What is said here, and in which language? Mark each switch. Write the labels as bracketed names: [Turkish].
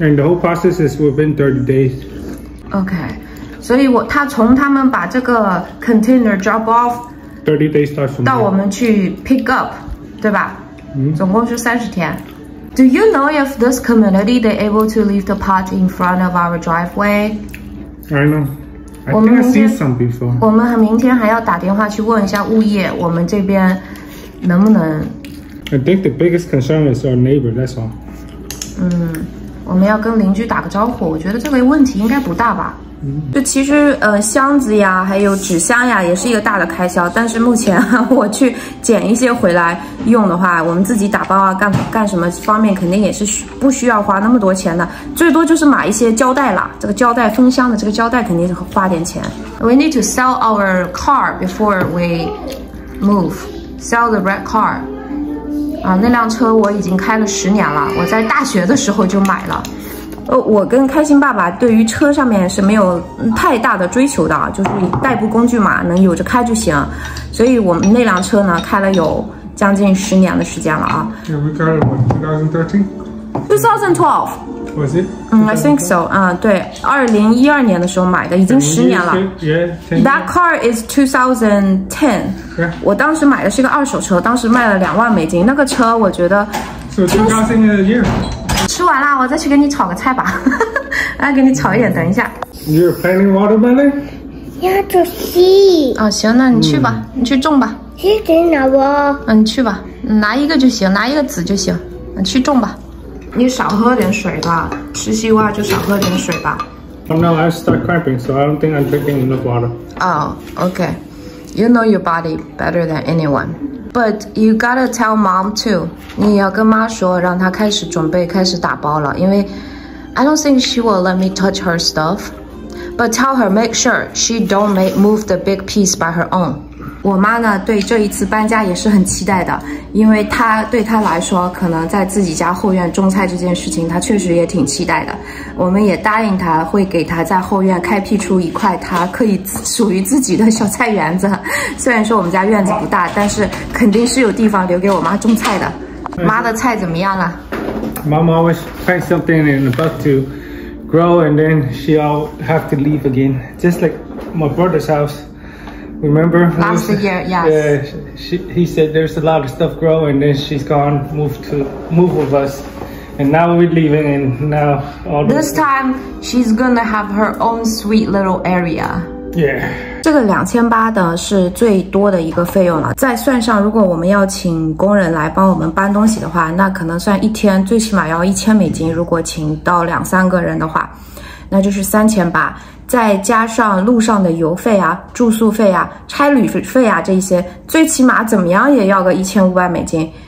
[English] And the whole process is within 30 days. Okay. [Chinese] 所以他从他们把这个 container drop off [English] 30 days starts from [Chinese] 到我们去 pick up, 对吧、总共是30天。 [English] Do you know if this community, they're able to leave the pot in front of our driveway? I know. [Chinese] 我们明天还要打电话去问一下物业，我们这边能不能 [English] ？I think the biggest concern is our neighbor. That's all. [Chinese] 嗯，我们要跟邻居打个招呼。我觉得这个问题应该不大吧？就其实箱子呀，还有纸箱呀，也是一个大的开销。但是目前我去捡一些回来用的话，我们自己打包啊，干什么方面肯定也是不需要花那么多钱的，最多就是买一些胶带啦。这个胶带封箱的这个胶带肯定是花点钱。 [English] We need to sell our car before we move. Sell the red car. [Chinese] 啊，那辆车我已经开了10年了，我在大学的时候就买了。我跟开心爸爸对于车上面是没有太大的追求的，就是代步工具嘛，能有着开就行。所以我们那辆车呢，开了有将近10年的时间了啊。 [English] Yeah, we got it in 2012. Was it? I think so. [Chinese] 对，2012年的时候买的，已经10年了。 [English] Yeah, that car is 2010. Yeah. [Chinese] 我当时买的是个二手车，当时卖了$20,000，那个车我觉得。 [English] So 2010 a year. [Chinese] 吃完了，我再去给你炒个菜吧。来，给你炒一点，等一下。 [English] You're planting watermelon? Yeah, to see. [Chinese] 哦，行，那你去吧，你去种吧。谁给你拿不？嗯，你去吧，拿一个就行，拿一个籽就行。你去种吧。你少喝点水吧，吃西瓜就少喝点水吧。 [English] I'm now I start cramping, so I don't think I'm drinking enough water. Oh, okay. You know your body better than anyone. But you gotta tell mom too. [Chinese] 你要跟妈说，让她开始准备，开始打包了。 [English] 因为 I don't think she will let me touch her stuff. But tell her make sure she don't make move the big piece by her own. [Chinese] 我妈呢，对这一次搬家也是很期待的，因为她对她来说，可能在自己家后院种菜这件事情，她确实也挺期待的。我们也答应她会给她在后院开辟出一块她可以属于自己的小菜园子。虽然说我们家院子不大，但是肯定是有地方留给我妈种菜的。妈的菜怎么样了？ [English] Mom always find something and about to grow, and then she'll have to leave again, just like my brother's house. Remember last year? Yes. Yeah. He said there's a lot of stuff grow, and then she's gone, move with us, and now we're leaving, and now all this time she's gonna have her own sweet little area. Yeah. [Chinese] 这个2800的是最多的一个费用了，再算上如果我们要请工人来帮我们搬东西的话，那可能算一天最起码要$1,000，如果请到两三个人的话，那就是3800，再加上路上的油费啊、住宿费啊、差旅费啊，这一些最起码怎么样也要个$1,500，